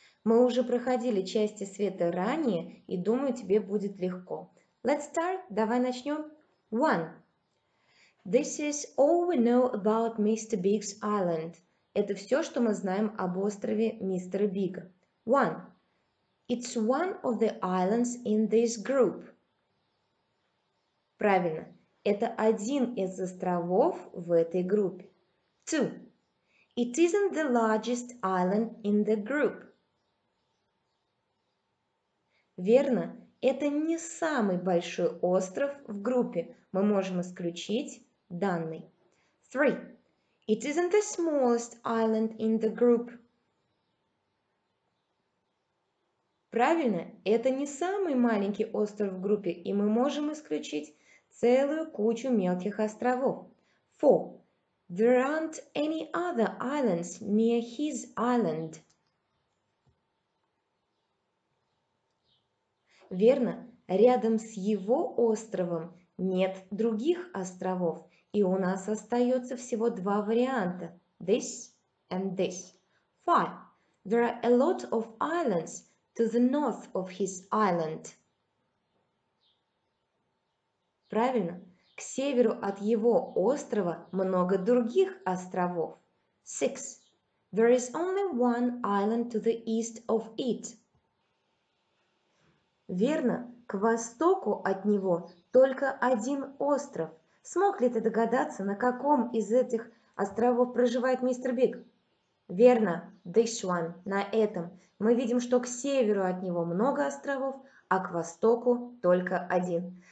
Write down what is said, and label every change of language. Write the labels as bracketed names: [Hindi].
[Russian] Мы уже проходили части света ранее, и думаю, тебе будет легко. [English] Let's start. [Russian] Давай начнем. [English] One. This is all we know about Mr. Big's island. [Russian] Это все, что мы знаем об острове мистера Бига. [English] One. It's one of the islands in this group. [Russian] Правильно. Это один из островов в этой группе. [English] Two. It isn't the largest island in the group. [Russian] Верно. Это не самый большой остров в группе. Мы можем исключить данный. Three. [English] It isn't the smallest island in the group. [Russian] Правильно, это не самый маленький остров в группе, и мы можем исключить целую кучу мелких островов. [English] Four. There aren't any other islands near his island. [Russian] Верно, рядом с его островом нет других островов, и у нас остается всего два варианта. [English] This and this. Five. There are a lot of islands to the north of his island. [Russian] Правильно. К северу от его острова много других островов. [English] Six. There is only one island to the east of it. [Russian] Верно. К востоку от него только один остров. Смог ли ты догадаться, на каком из этих островов проживает мистер Биг? Верно. [English] This one. [Russian] На этом. Мы видим, что к северу от него много островов, а к востоку только один.